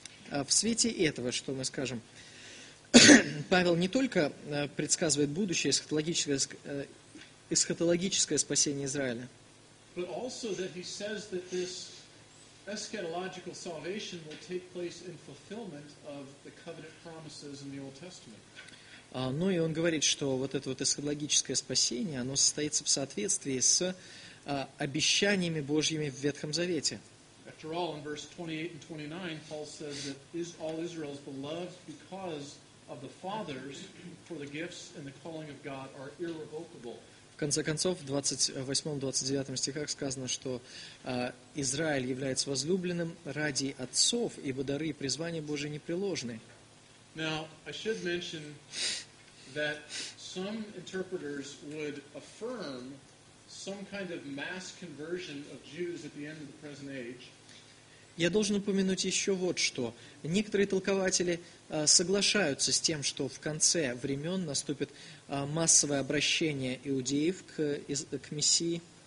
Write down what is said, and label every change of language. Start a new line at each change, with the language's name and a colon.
Russian: В свете этого, что мы скажем, Павел не только предсказывает будущее эсхатологическое спасение Израиля,
English: but also that he says that this eschatological salvation will take place in fulfillment of the covenant promises in the Old Testament.
Russian: Ну и он говорит, что вот это вот эсхатологическое спасение, оно состоится в соответствии с обещаниями Божьими в Ветхом Завете.
English: After all, in verse 28 and 29, Paul says that all Israel is beloved because of the fathers, for the gifts and the calling of God are irrevocable.
Russian: В конце концов, в 28-29 стихах сказано, что Израиль является возлюбленным ради отцов, ибо дары и призвания Божие непреложны.
English: Now, I should mention that some interpreters would affirm some kind of mass conversion of Jews at the end of the present age.
Russian: Я должен упомянуть еще вот что. Некоторые толкователи соглашаются с тем, что в конце времен наступит массовое обращение иудеев к Мессии.